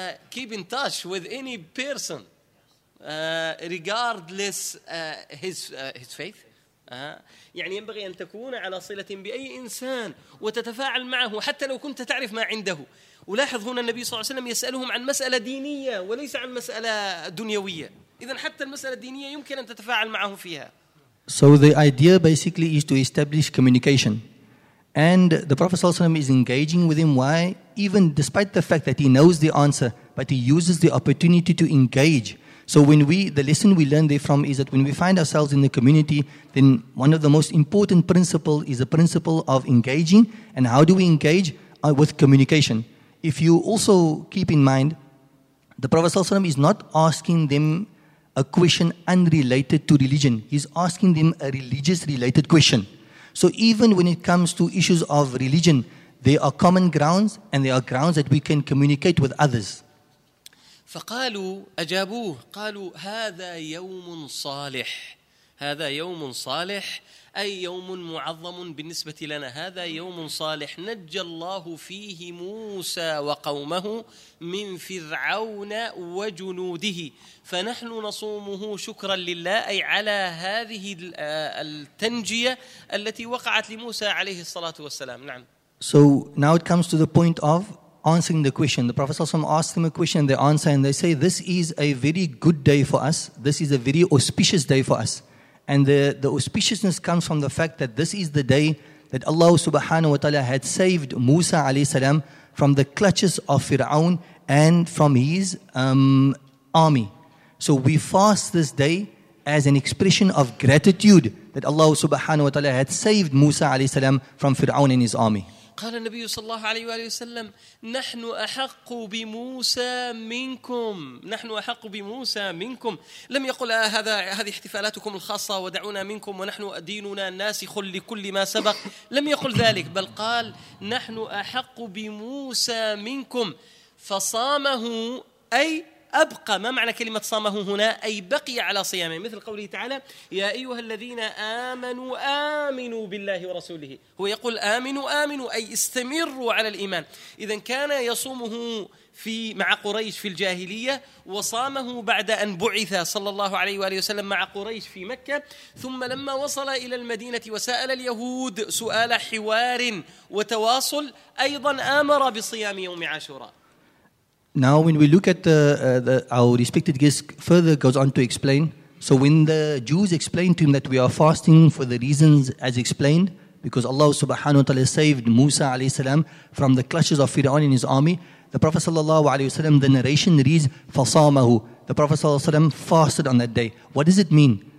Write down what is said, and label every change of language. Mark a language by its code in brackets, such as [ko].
[en] Keep in touch with any person, regardless his faith. [ar] يعني ينبغي أن تكون على صلة بأي إنسان وتتفاعل معه حتى لو كنت تعرف ما عنده. ولاحظ هنا النبي صلى الله عليه وسلم يسألهم عن مسألة دينية وليس عن مسألة دنيوية. إذا حتى المسألة الدينية يمكن أن تتفاعل معه فيها. [en] So the idea basically is to establish communication. And the Prophet ﷺ is engaging with him. Why? Even despite the fact that he knows the answer, but he uses the opportunity to engage. So when the lesson we learn therefrom is that when we find ourselves in the community, then one of the most important principles is the principle of engaging. And how do we engage? With communication. If you also keep in mind, the Prophet ﷺ is not asking them a question unrelated to religion. He's asking them a religious related question. So even when it comes to issues of religion, there are common grounds and there are grounds that we can communicate with others. [ar] فقالوا أجابوه قالوا هذا يوم صالح هذا يوم صالح أي يوم معظم بالنسبة لنا هذا يوم صالح نجى الله فيه موسى وقومه من فرعون وجنوده فنحن نصومه شكرا لله أي على هذه التنجية التي وقعت لموسى عليه الصلاة والسلام نعم. [en] So now it comes to the point of answering the question. The Prophet ﷺ asks them a question, they answer and they say, this is a very good day for us. This is a very auspicious day for us. And the auspiciousness comes from the fact that this is the day that Allah subhanahu wa ta'ala had saved Musa alayhi salam from the clutches of Fir'aun and from his army. So we fast this day as an expression of gratitude that Allah subhanahu wa ta'ala had saved Musa alayhi salam from Fir'aun and his army. [ar] قال النبي صلى الله عليه وآله وسلم نحن أحق بموسى منكم نحن أحق بموسى منكم لم يقل هذا هذه احتفالاتكم الخاصة ودعونا منكم ونحن ديننا ناسخ لكل ما سبق لم يقل ذلك بل قال نحن أحق بموسى منكم فصامه أي أبقى ما معنى كلمة صامه هنا أي بقي على صيامه مثل قوله تعالى يا أيها الذين آمنوا آمنوا بالله ورسوله هو يقول آمنوا آمنوا أي استمروا على الإيمان إذن كان يصومه في مع قريش في الجاهلية وصامه بعد أن بعث صلى الله عليه وآله وسلم مع قريش في مكة ثم لما وصل إلى المدينة وسأل اليهود سؤال حوار وتواصل أيضا آمر بصيام يوم عاشوراء. [en] Now when we look at our respected guest further goes on to explain, so when the Jews explained to him that we are fasting for the reasons as explained, because Allah subhanahu wa ta'ala saved Musa alayhi salam from the clutches of Fir'aun and his army, the Prophet sallallahu alayhi wa sallam, the narration reads, فَصَامَهُ The Prophet sallallahu alayhi wa sallam fasted on that day. What does it mean?